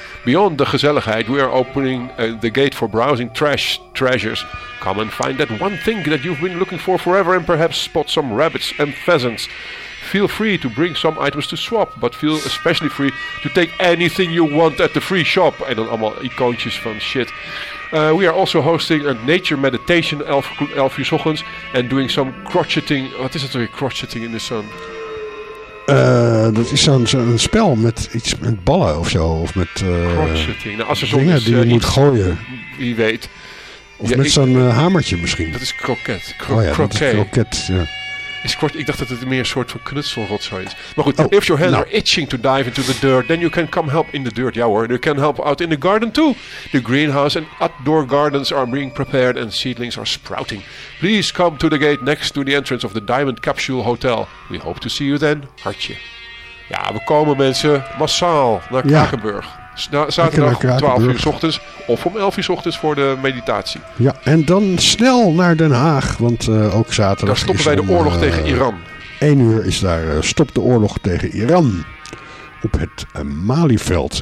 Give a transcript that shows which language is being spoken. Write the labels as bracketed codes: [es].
[en] Beyond the gezelligheid, we are opening the gate for browsing trash treasures. Come and find that one thing that you've been looking for forever and perhaps spot some rabbits and pheasants. Feel free to bring some items to swap, but feel especially free to take anything you want at the free shop. [nl] En dan allemaal icoontjes van shit. [en] We are also hosting a nature meditation [nl] 11 uur 's ochtends [en] and doing some crocheting. [nl] Wat is het weer, [en] crocheting in the sun? [nl] Dat is dan zo'n spel met iets met ballen of zo. Of met nou, als er dingen is, die je moet gooien. Wie weet. Of ja, met zo'n hamertje misschien. Dat is kroket. Kroket, ja. Ik dacht dat het meer een soort van knutselrotzooi is. Maar goed, [en] if your hands are itching to dive into the dirt, then you can come help in the dirt. [nl] Ja hoor, [en] you can help out in the garden too. The greenhouse and outdoor gardens are being prepared and seedlings are sprouting. Please come to the gate next to the entrance of the Diamond Capsule Hotel. We hope to see you then, hartje. [nl] Ja, we komen mensen massaal naar Krakenburg. Zaterdag om 12 uur 's ochtends of om 11 uur 's ochtends voor de meditatie. Ja, en dan snel naar Den Haag, want ook zaterdag. Daar stoppen wij de oorlog tegen Iran. 1 uur is daar stop de oorlog tegen Iran op het Malieveld.